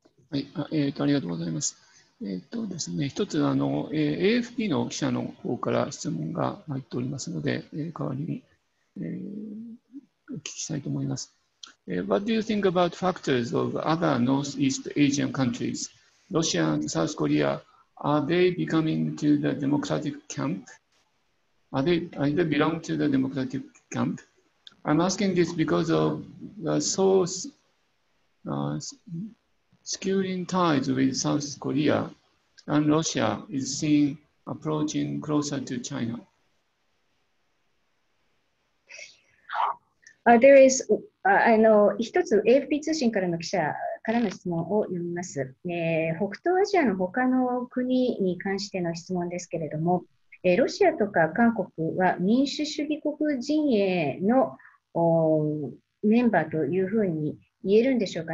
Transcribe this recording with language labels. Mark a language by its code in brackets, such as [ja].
[ja] はい、ありがとうございます。ですね、一つ、AFP の記者の方から質問が入っておりますので、代わりに、お聞きしたいと思います。 [en] What do you think about factors of other Northeast Asian countries, Russia and South Korea? Are they becoming to the democratic camp? Are they belong to the democratic camp? I'm asking this because of the skewing ties with South Korea and Russia is seen approaching closer to China. I know, [ja] 一つ AFP 通信からの記者からの質問を読みます。北東アジアの他の国に関しての質問ですけれども、ロシアとか韓国は民主主義国陣営のメンバーというふうに言えるんでしょうか。